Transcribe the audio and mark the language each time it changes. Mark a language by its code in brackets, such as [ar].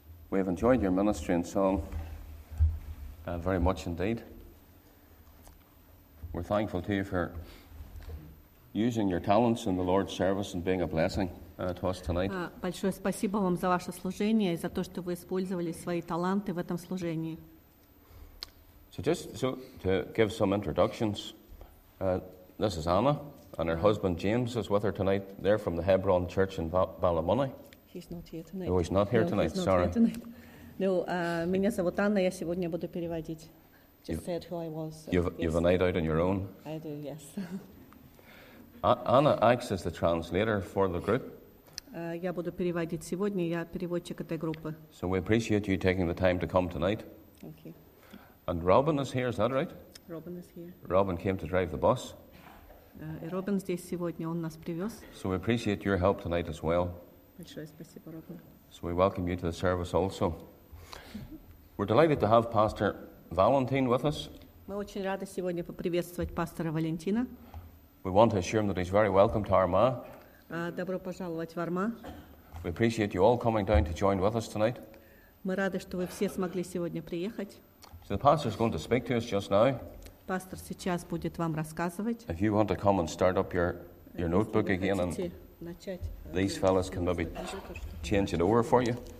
[en] We have enjoyed your ministry and song very much indeed. We're thankful to you for using your talents in the Lord's service and being a blessing to us tonight. [ru] Большое спасибо вам за ваше служение и за то, что вы использовали свои таланты в этом служении. [en] So just so to give some introductions, this is Anna. And her husband James is with her tonight. They're from the Hebron Church in Ballymoney. He's not here tonight. Oh, he's not here tonight. Sorry. [ru] No, меня зовут Анна. Я сегодня буду переводить. [en] Just said who I was. You've a night out on your own. I do. Yes. Anna acts as the translator for the group. [ru] Я буду переводить сегодня. Я переводчик этой группы. [en] So we appreciate you taking the time to come tonight. Okay. And Robin is here. Is that right? Robin is here. Robin came to drive the bus. [ru] Робин здесь сегодня, он нас привез. [en] So we appreciate your help tonight as well. [ru] Большое спасибо, Робин. [en] So we welcome you to the service also. We're delighted to have Pastor Valentin with us. [ru] Мы очень рады сегодня поприветствовать пастора Валентина. [en] We want to assure him that he's very welcome to Armagh. [ru] Добро пожаловать в Армагh. [en] We appreciate you all coming down to join with us tonight. [ru] Мы рады, что вы все смогли сегодня приехать. [en] So the pastor is going to speak to us just now. [ru] Пастор сейчас будет вам рассказывать. [en] If you want to come and start up your notebook again, and these fellows can maybe change it over for you.